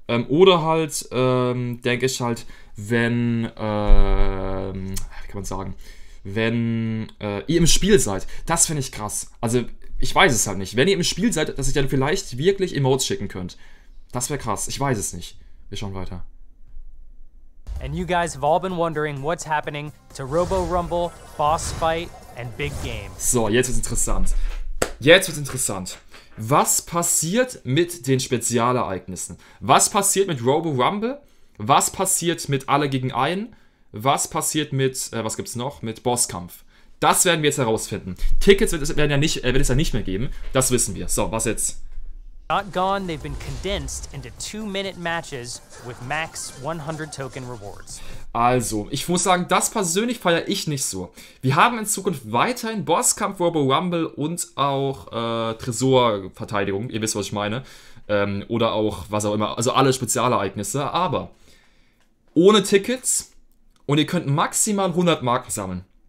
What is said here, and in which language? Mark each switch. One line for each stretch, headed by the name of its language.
German: Oder halt, denke ich halt, wenn, wie kann man sagen, wenn ihr im Spiel seid. Das finde ich krass. Also, ich weiß es halt nicht. Wenn ihr im Spiel seid, dass ihr dann vielleicht wirklich Emotes schicken könnt. Das wäre krass. Ich weiß es nicht. Wir schauen weiter.
English: And you guys have all been wondering what's happening to Robo Rumble, Boss Fight and Big Game.
German: So, jetzt wird's interessant. Jetzt wird's interessant. Was passiert mit den Spezialereignissen? Was passiert mit Robo Rumble? Was passiert mit Alle gegen einen? Was passiert mit, was gibt's noch? Mit Bosskampf. Das werden wir jetzt herausfinden. Tickets wird es ja nicht mehr geben. Das wissen wir. So, was jetzt?
English: Not gone, they've been condensed into 2-minute matches with max 100 token rewards.
German: Also, ich muss sagen, das persönlich feiere ich nicht so. Wir haben in Zukunft weiterhin Bosskampf, Robo Rumble und auch Tresorverteidigung, ihr wisst, was ich meine. Oder auch was auch immer, also alle Spezialereignisse, aber ohne Tickets und ihr könnt maximal 100 Marken sammeln.